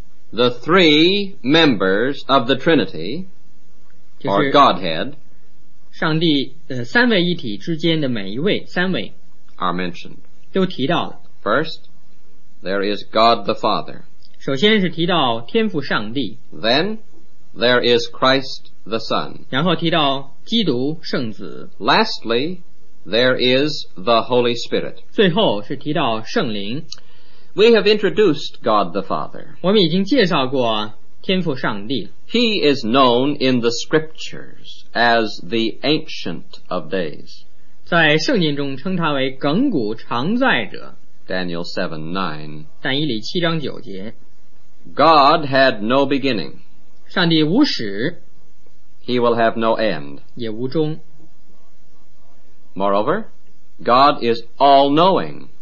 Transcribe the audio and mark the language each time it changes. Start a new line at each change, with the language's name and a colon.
English: The three members of the Trinity, or Godhead,
Chinese: 上帝三位一体之间的每一位三位
English: are mentioned.
Chinese: 都提到了。
English: First, there is God the Father.
Chinese: 首先是提到天父上帝。
English: Then, there is Christ the Son.
Chinese: 然后提到基督圣子。
English: Lastly, there is the Holy Spirit.
Chinese: 最后是提到圣灵。
English: We have introduced God the Father.
Chinese: 我们已经介绍过天父上帝。
English: He is known in the scriptures as the Ancient of Days.
Chinese: 在圣经中称他为亘古常在者。
English: Daniel 7:9.
Chinese: 但以理七章九节。
English: God had no beginning.
Chinese: 上帝无始。
English: He will have no end.
Chinese: 也无终。
English: Moreover, God is all-knowing.